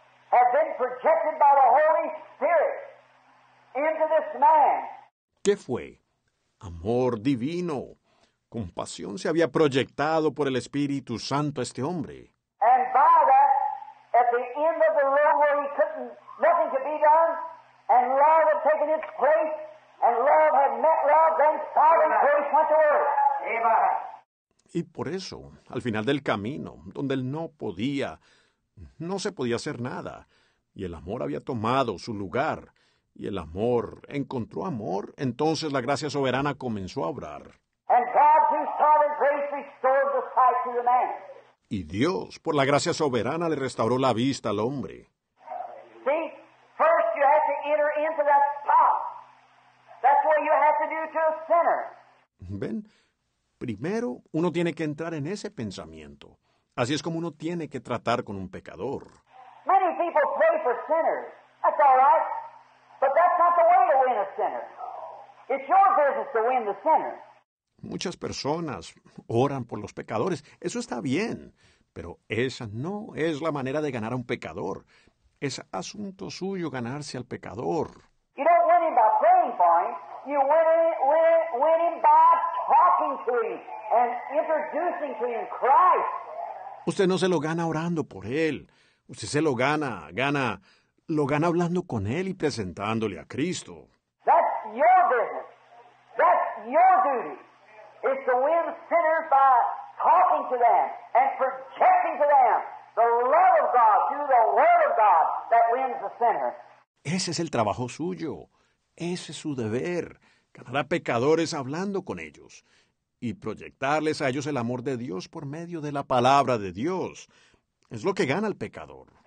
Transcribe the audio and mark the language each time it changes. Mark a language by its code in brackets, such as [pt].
[en] Have been projected by the Holy Spirit into this man. [es] ¿Qué fue? Amor divino. Compasión se había proyectado por el Espíritu Santo a este hombre. [en] And by that, at the end of the road where he couldn't, nothing could be done, and love had taken its place, and love had met love, then sovereign grace went to earth. Amen. [es] Y por eso, al final del camino, donde él no podía... No se podía hacer nada, y el amor había tomado su lugar, y el amor encontró amor, entonces la gracia soberana comenzó a obrar. [en] And God, through sovereign grace, restored the sight to the man. [es] Y Dios, por la gracia soberana, le restauró la vista al hombre. [en] See, first you have to enter into that spot. That's what you have to do to a sinner. [es] ¿Ven? Primero, uno tiene que entrar en ese pensamiento. Así es como uno tiene que tratar con un pecador. [en] Many people pray for sinners. That's all right. But that's not the way to win a sinner. It's your business to win the sinner. [es] Muchas personas oran por los pecadores. Eso está bien. Pero esa no es la manera de ganar a un pecador. Es asunto suyo ganarse al pecador. [en] You don't win him by praying for him. You win him by talking to him and introducing to him Christ. [es] Usted no se lo gana orando por él. Usted se lo gana hablando con él y presentándole a Cristo. [en] That's your business. That's your duty. It's to win sinners by talking to them and projecting to them the love of God through the Word of God that wins the sinner. [es] Ese es el trabajo suyo. Ese es su deber. Ganar a pecadores hablando con ellos. Y proyectarles a ellos el amor de Dios por medio de la palabra de Dios. Es lo que gana el pecador.